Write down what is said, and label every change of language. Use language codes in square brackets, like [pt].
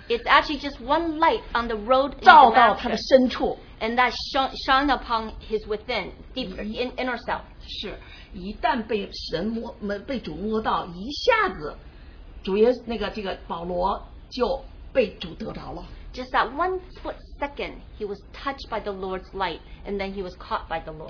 [en] it's actually just one light on the road in [zh] Damascus, 照到他的深处, [en] and that shone upon his within, deep in inner self. [zh] 是一旦被主摸到, 一下子主耶那个这个保罗就 [en] just that one split second, he was touched by the Lord's light, and then he was caught by the Lord.